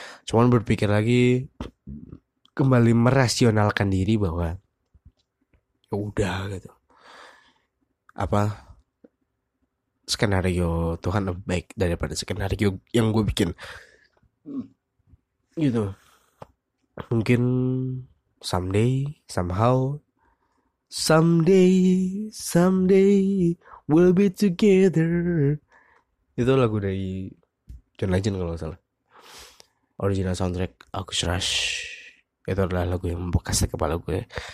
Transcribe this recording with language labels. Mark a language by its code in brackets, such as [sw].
[id] Cuman berpikir lagi, kembali merasionalkan diri bahwa udah gitu, apa skenario Tuhan lebih baik daripada skenario yang gue bikin. gitu. Mungkin [en] someday, somehow, someday, someday we'll be together. [id] Itu lagu dari John Legend kalau nggak salah. Original soundtrack August Rush. Itu adalah lagu yang membekas di kepala gue.